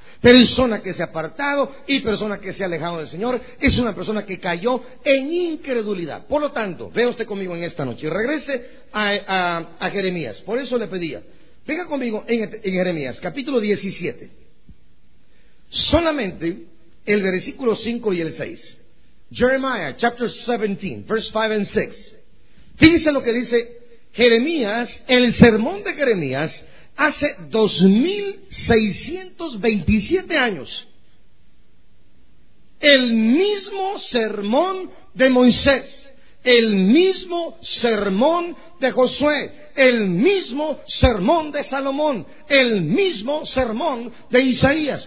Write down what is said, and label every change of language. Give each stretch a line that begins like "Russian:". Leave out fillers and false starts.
Spanish: Persona que se ha apartado y persona que se ha alejado del Señor es una persona que cayó en incredulidad. Por lo tanto, vea usted conmigo en esta noche y regrese a Jeremías. Por eso le pedía, venga conmigo en Jeremías, capítulo 17. Solamente el versículo 5 y el 6.
English: Jeremiah, chapter 17, verse 5 and 6.
Spanish: Fíjense lo que dice Jeremías, el sermón de Jeremías, hace 2627 años. El mismo sermón de Moisés, el mismo sermón de Josué, el mismo sermón de Salomón, el mismo sermón de Isaías.